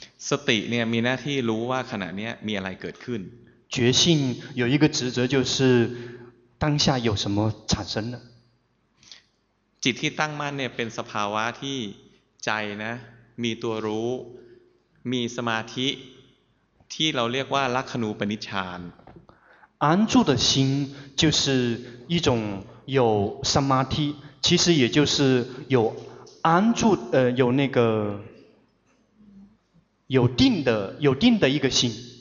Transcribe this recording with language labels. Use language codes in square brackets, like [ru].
[th] สติเนี่ยมีหน้าที่รู้ว่าขณะนี้มีอะไรเกิดขึ้น [zh] 觉性有一个职责就是当下有什么产生了 [th] จิตที่ตั้งมั่นเนี่ยเป็นสภาวะที่ใจนะมีตัวรู้มีสมาธิที่เราเรียกว่าลักขณูปนิชฌาน [zh] 安住的心就是一种有สมาธิ其实也就是有安住有那个有定的一个心